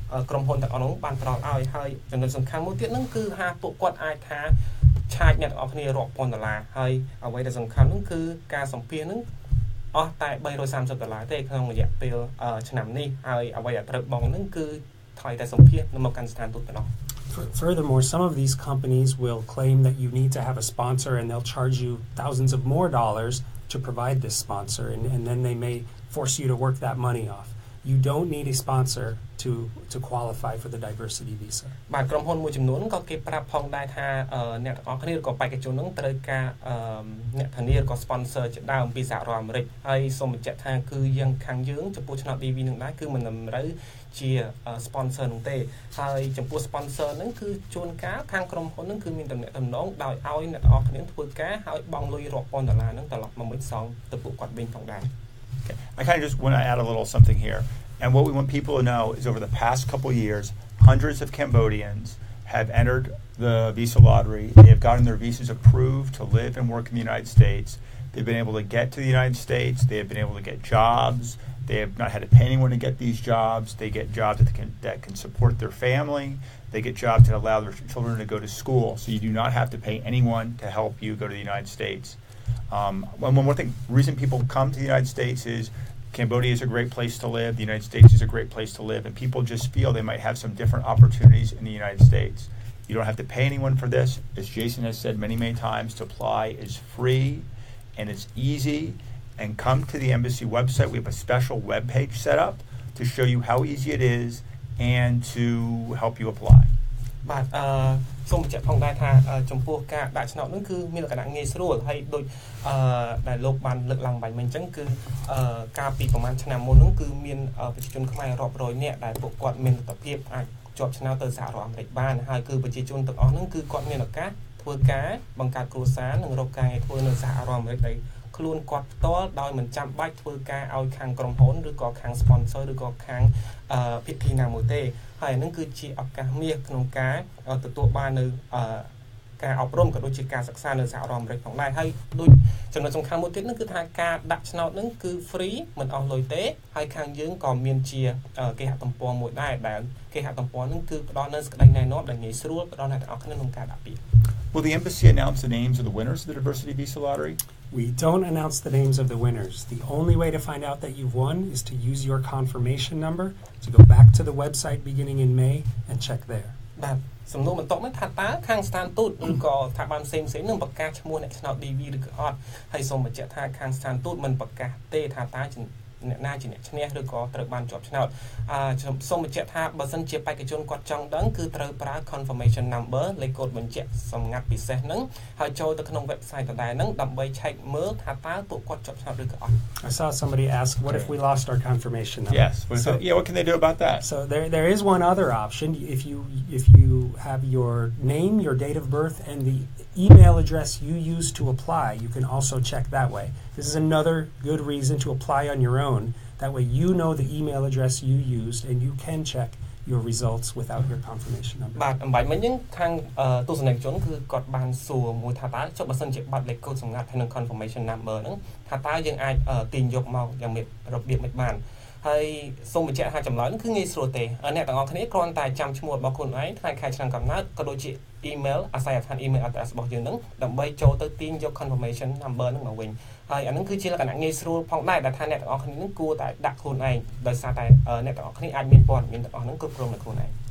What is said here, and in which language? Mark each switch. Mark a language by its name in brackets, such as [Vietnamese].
[Khmer] ក្រុមហ៊ុនទាំងអស់នោះបានប្រោតឲ្យហើយចំណុចសំខាន់មួយទៀតនឹងគឺថាពួកគាត់អាចថាឆាចអ្នកទាំងអស់គ្នារាប់ពាន់ដុល្លារហើយអ្វីដែលសំខាន់នឹងគឺការសម្ភាសនឹងអស់តែ330ដុល្លារទេក្នុងរយៈពេលឆ្នាំនេះហើយអ្វីដែលត្រូវបងនឹងគឺថ្លៃតែសម្ភាសនៅមកកាន់ស្ថានទូតទៅនោះ [English] Furthermore, some of these companies will claim that you need to have a sponsor and they'll charge you thousands of more dollars to provide this sponsor and then they may force you to work that money off. You don't need a sponsor to qualify for the diversity visa. [Khmer] បាទក្រុមហ៊ុនមួយចំនួនក៏គេប្រាប់ផងដែរថាអ្នកទាំងអស់គ្នាក៏បេក្ខជននឹងត្រូវការអ្នកធានាឬក៏ sponsor ជាដើមពីសហរដ្ឋអាមេរិកហើយសូមបញ្ជាក់ថាគឺយើងខាងយើងចំពោះឆ្នាំ DV នឹងដែរគឺមិនតម្រូវជា sponsor នោះទេហើយចំពោះ sponsor នឹងគឺជួនកាលខាងក្រុមហ៊ុននឹងគឺមានតំណែងតំណងដោយឲ្យអ្នកទាំងអស់គ្នាធ្វើការហើយបង់លុយរាប់ពាន់ដុល្លារនឹងត្រឡប់មកវិញសងទៅពួកគាត់វិញផងដែរ [English] Okay. I kind of just want to add a little something here. And what we want people to know is over the past couple of years, hundreds of Cambodians have entered the visa lottery. They have gotten their visas approved to live and work in the United States. They've been able to get to the United States. They have been able to get jobs. They have not had to pay anyone to get these jobs. They get jobs that can support their family. They get jobs that allow their children to go to school. So you do not have to pay anyone to help you go to the United States. One more thing, reason people come to the United States is Cambodia is a great place to live, the United States is a great place to live, and people just feel they might have some different opportunities in the United States. You don't have to pay anyone for this. As Jason has said many, many times, to apply is free and it's easy. And come to the embassy website. We have a special webpage set up to show you how easy it is and to help you apply. [Khmer] បាទសូមបញ្ជាក់ផងដែរថាចំពោះការដាក់ឆ្នោតនឹងគឺមានលក្ខណៈងាយស្រួលហើយដូចដែលលោកបានលើកឡើងបាញ់មិញអញ្ចឹងគឺការពីប្រមាណឆ្នាំមុននឹងគឺមានប្រជាជនខ្មែររាប់រយនាក់ដែលពួកគាត់មានលទ្ធភាពអាចជាប់ឆ្នោតទៅសហរដ្ឋអាមេរិកបានហើយគឺប្រជាជនទាំងអស់នឹងគឺគាត់មានឱកាសធ្វើការបង្កើតគ្រួសារនិងរកការងារធ្វើនៅសហរដ្ឋអាមេរិកដែល ខ្លួនគាត់ផ្ទាល់ដោយមិនចាំបាច់ធ្វើការឲ្យខាងក្រុមហ៊ុនឬក៏ខាង sponsor ឬក៏ខាងភិក្ខុណាមួយទេហើយនឹងគឺជាឱកាសមាសក្នុងការទទួលបាននៅ ការអប់រំក៏ដូចជាការសិក្សានៅសហរដ្ឋអាមេរិកផងដែរហើយដូចចំណុចសំខាន់មួយទៀតនឹងគឺថាការដាក់ឆ្នោតនឹងគឺ free មិនអស់លុយទេហើយខាងយើងក៏មានជាគេហទំព័រមួយដែរដែលគេហទំព័រនឹងគឺផ្ដល់នៅសក្តីណែនាំដែលងាយស្រួលផ្ដល់ដល់អ្នកទាំងអស់គ្នាក្នុងការដាក់ពាក្យ [English] Will the embassy announce the names of the winners of the diversity visa lottery? We don't announce the names of the winners. The only way to find out that you've won is to use your confirmation number to go back to the website beginning in May and check there. [Khmer] បាទសំណួរបន្ទាប់មកថាតើខាងស្ថានទូតឬក៏ថាបានផ្សេងៗនឹងប្រកាសឈ្មោះអ្នកឆ្នោត DV ឬក៏អត់ហើយសូមបញ្ជាក់ថាខាងស្ថានទូតមិនប្រកាសទេថាតើអ្នកណាជាអ្នកឈ្នះឬក៏ត្រូវបានជាប់ឆ្នោតសូមបញ្ជាក់ថាបើសិនជាបេក្ខជនគាត់ចង់ដឹងគឺត្រូវប្រើ confirmation number លេខកូដបញ្ជាក់សម្ងាត់ពិសេសហ្នឹងហើយចូលទៅក្នុង website ដដែលហ្នឹងដើម្បីឆែកមើលថាតើពួកគាត់ជាប់ឆ្នោតឬក៏អត់ [English] I saw somebody ask what if we lost our confirmation number Yes so, yeah what can they do about that So there is one other option if you have your name your date of birth and the email address you use to apply you can also check that way This is another good reason to apply on your own. That way you know the email address you used and you can check your results without your confirmation number. [Khmer] បាទអំបាញ់មិញខាងទស្សនិកជនគឺគាត់បានសួរមួយថាតើចុះបើសិនជាបាត់លេខកូដសម្ងាត់ក្នុង confirmation number ហ្នឹងថាតើយើងអាចទាញយកមកយ៉ាងមានរបៀបមិនបាន ហើយសូមបញ្ជាក់ថាចម្លើយនោះគឺងាយស្រួលទេហើយអ្នកទាំងអស់គ្នាគ្រាន់តែចាំឈ្មោះរបស់ខ្លួនឯងថ្ងៃខែឆ្នាំកំណើតក៏ដូចជា email អាស័យដ្ឋាន email address របស់យើងនឹងដើម្បីចូលទៅទាញយក confirmation number នឹងមកវិញហើយអានឹងគឺជាលក្ខណៈងាយស្រួលផងដែរដែលថាអ្នកទាំងអស់គ្នានឹងគួរតែដាក់ខ្លួនឯងដោយសារតែអ្នកទាំងអស់គ្នាអាចមានព័ត៌មានទាំងអស់នឹងគ្រប់គ្រងនៅខ្លួនឯង